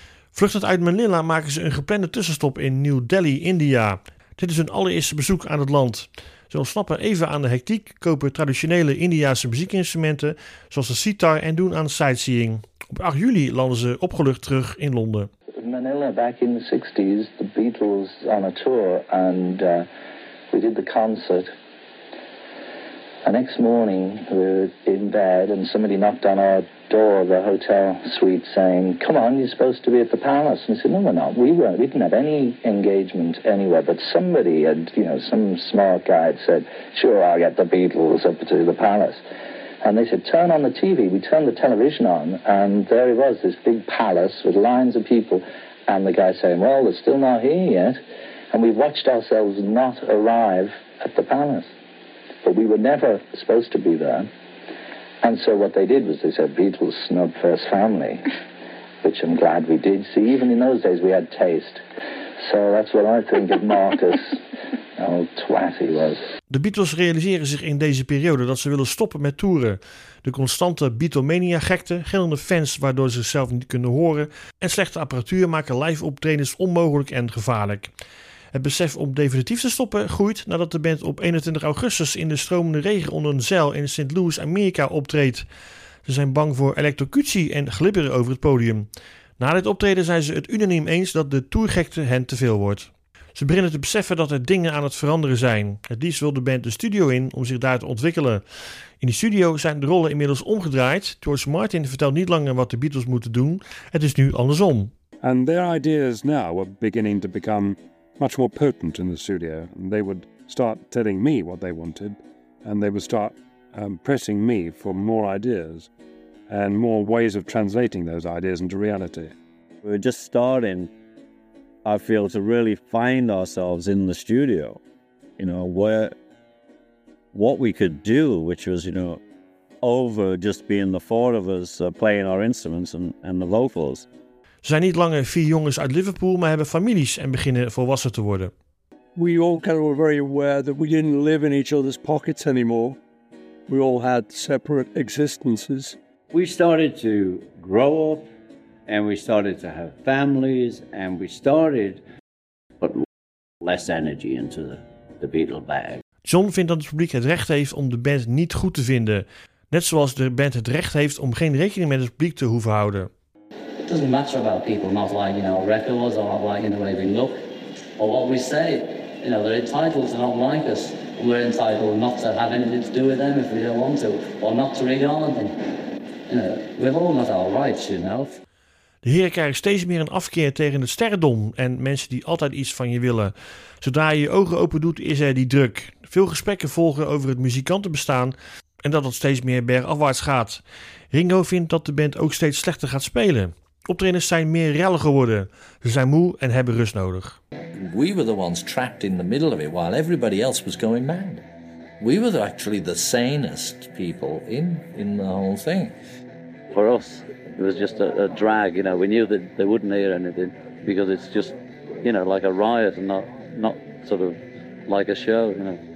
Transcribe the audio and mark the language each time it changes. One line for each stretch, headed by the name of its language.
Dutch: Vluchtend uit Manila maken ze een geplande tussenstop in New Delhi, India. Dit is hun allereerste bezoek aan het land. Ze ontsnappen even aan de hectiek, kopen traditionele Indiaanse muziekinstrumenten zoals de sitar en doen aan sightseeing. Op 8 juli landen ze opgelucht terug in Londen.
English: In Manila, back in the 60s, the Beatles on a tour and we did the concert. The next morning we were in bed and somebody knocked on our door, the hotel suite, saying, come on, you're supposed to be at the palace. And we said, no, we're not. We weren't. We didn't have any engagement anywhere. But somebody had, you know, some smart guy had said, sure, I'll get the Beatles up to the palace. And they said, turn on the TV. We turned the television on and there it was, this big palace with lines of people. And the guy saying, well, they're still not here yet. And we watched ourselves not arrive at the palace. But we were never supposed to be there. And so what they did was they said, Beatles snub first family, which I'm glad we did. See, even in those days we had taste. So that's what I think of Marcus, how twat he was.
Dutch: De Beatles realiseren zich in deze periode dat ze willen stoppen met toeren. De constante Beatlemania-gekte, gillende fans waardoor ze zichzelf niet kunnen horen en slechte apparatuur maken live optredens onmogelijk en gevaarlijk. Het besef om definitief te stoppen groeit nadat de band op 21 augustus in de stromende regen onder een zeil in St. Louis, Amerika optreedt. Ze zijn bang voor elektrocutie en glibberen over het podium. Na dit optreden zijn ze het unaniem eens dat de tourgekte hen te veel wordt. Ze beginnen te beseffen dat er dingen aan het veranderen zijn. Het liefst wil de band de studio in om zich daar te ontwikkelen. In de studio zijn de rollen inmiddels omgedraaid. George Martin vertelt niet langer wat de Beatles moeten doen. Het is nu andersom.
English: And their ideas now are beginning to become much more potent in the studio. And they would start telling me what they wanted and they would start pressing me for more ideas and more ways of translating those ideas into reality. We were just starting, I feel, to really find ourselves in the studio, you know, where what we could do, which was, you know, over just being the four of us playing our instruments and the vocals.
Dutch: Ze zijn niet langer vier jongens uit Liverpool, maar hebben families en beginnen volwassen te worden.
English: We all kind of were very aware that we didn't live in each other's pockets anymore. We all had separate existences. We started to grow up and we started to have families and we started put less energy into the Beatle bag.
Dutch: John vindt dat het publiek het recht heeft om de band niet goed te vinden. Net zoals de band het recht heeft om geen rekening met het publiek te hoeven houden.
English: It doesn't matter about people not liking our records or not liking the way we look or what we say. You know, they're entitled to not like us. We're entitled not to have anything to do with them if we don't want to, or not to read on anything. You know, we've all got our rights, you know.
Dutch: De heren krijgen steeds meer een afkeer tegen het sterrendom en mensen die altijd iets van je willen. Zodra je je ogen open doet, is er die druk. Veel gesprekken volgen over het muzikantenbestaan en dat het steeds meer bergafwaarts gaat. Ringo vindt dat de band ook steeds slechter gaat spelen. Optredens zijn meer rellen geworden. Ze zijn moe en hebben rust nodig.
English: We were the ones trapped in the middle of it while everybody else was going mad. We were actually the sanest people in the whole thing. For us, it was just a drag, you know. We knew that they wouldn't hear anything because it's just, you know, like a riot and not sort of like a show, you know.